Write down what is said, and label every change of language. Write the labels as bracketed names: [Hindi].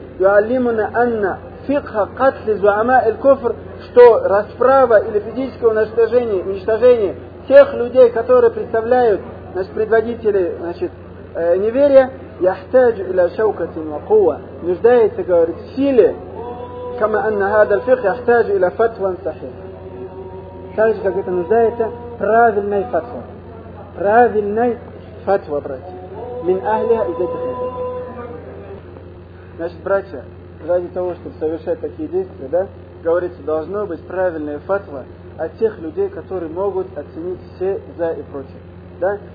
[Arabic] يعلمنا ان فقه قتل زعماء الكفر, [Russian] что расправа или физическое уничтожение тех людей, которые представляют, значит, предводители, значит, неверия, [Arabic] يحتاج إلى شوكة وقوة. [Russian] Нуждается, говорит, в силе. [Arabic] كما أن هذا الفقه يحتاج إلى فتوى صحيحة. [Russian] Так же, как это нуждается, правильной фатва. Правильной фатва, братья. [Arabic] Мин ахля [Russian] из этих людей. Значит, братья, ради того, чтобы совершать такие действия, да, говорится, должно быть правильная фатва от тех людей, которые могут оценить все за и против. Да?